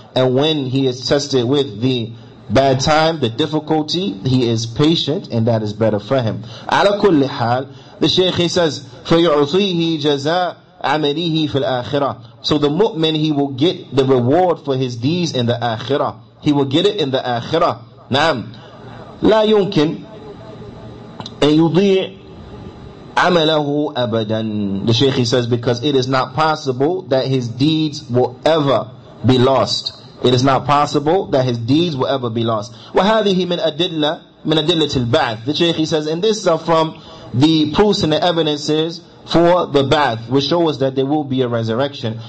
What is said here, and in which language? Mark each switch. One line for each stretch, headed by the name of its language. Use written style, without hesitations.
English: And when he is tested with the bad time, the difficulty, he is patient and that is better for him.
Arabic: عَلَى كُلِّ حَال,
English: the Shaykh, he says,
Arabic: فَيُعْطِيهِ جَزَاءَ عَمَلِهِ فِي الْآخِرَةِ.
English: So the mu'min, he will get the reward for his deeds in the akhirah. He will get it in the akhirah. نعم.
Arabic: لَا يُمْكِن أَن يُضِيعَ عَمَلَهُ أَبَدًا.
English: The Shaykh, he says, because it is not possible that his deeds will ever be lost. It is not possible that his deeds will ever be lost.
Arabic: وَهَذِهِ مِنْ أَدِلَّةِ الْبَعْثِ.
English: The Shaykh, he says, and this are from the proofs and the evidences for the Ba'ath, which show us that there will be a resurrection.